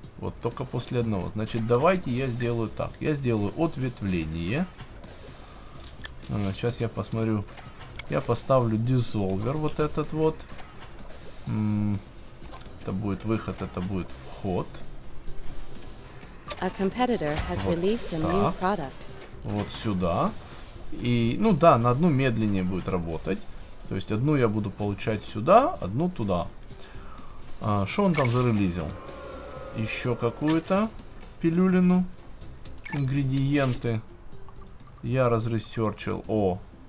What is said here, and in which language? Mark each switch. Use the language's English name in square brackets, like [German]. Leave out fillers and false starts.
[Russian] Вот только после одного. Значит, давайте я сделаю так. Я сделаю ответвление. Сейчас я посмотрю. Я поставлю дизолвер вот этот вот. Это будет выход, это будет вход. [English] A competitor has released a new product. [Russian] Вот сюда. И, ну да, на одну медленнее будет работать. То есть одну я буду получать сюда, одну туда. Что он там зарелизил? Еще какую-то пилюлину. Ингредиенты. Я разресерчил. О!